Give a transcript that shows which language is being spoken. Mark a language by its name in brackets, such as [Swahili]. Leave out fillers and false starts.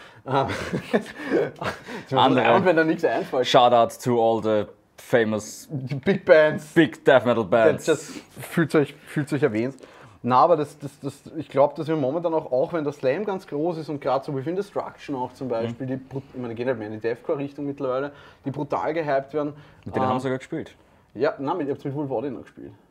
[German] Ich muss andere. Lernen, wenn da nichts einfällt. [English] Shoutout to all the famous Big Bands. Big Death Metal Bands. [German] Das fühlt sich erwähnt. Na, aber das, ich glaube, dass wir momentan auch wenn der Slam ganz groß ist und gerade so Within Destruction auch zum Beispiel, die gehen halt mehr in die Deathcore-Richtung mittlerweile, die brutal gehypt werden. Mit denen haben sie sogar gespielt. Ja, nein, ich hab's mit Wolf Odin noch gespielt.